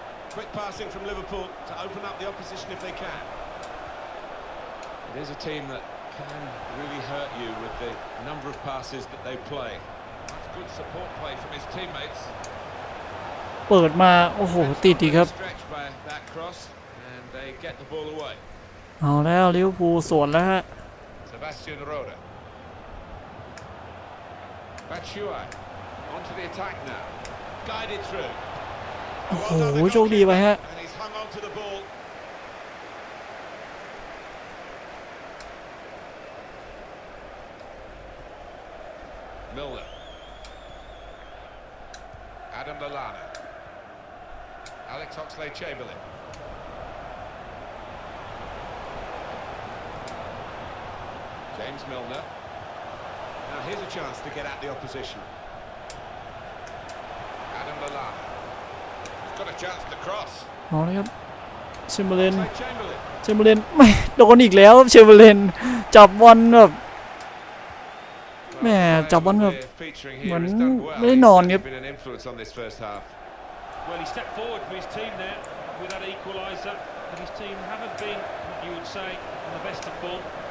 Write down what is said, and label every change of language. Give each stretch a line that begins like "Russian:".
English: Quick passing from Liverpool to open up the opposition if they can. It is a team that can really hurt you with the number of passes that they play. That's good support play from his teammates.
Thai: เปิดมาโอ้โหติดดีครับ
English: Stretch by that cross and they get the ball away.
Thai: เอาแล้วลิเวอร์พูลสวนแล้วฮะ
English: Sebastian Rode. Batshuayi. Onto the attack now. Guided through. Oh, well done, the goalkeeper. And he's hung on to the ball. Milner. Adam Lallana. Alex Oxlade-Chamberlain. James Milner. Now here's a chance to get at the opposition. Adam Lallana. He's got a chance to cross. Oh, yeah. Chamberlain. Chamberlain. Man,
Thai: โดนอีกแล้ว Chamberlain. จับบอลแบบแหมจับบอลแบบเหมือนไม่นอนครับ
English: Been an influence on this first half. Well, he stepped forward for his team there with that equaliser, but his team haven't been, you would say, on the best of form.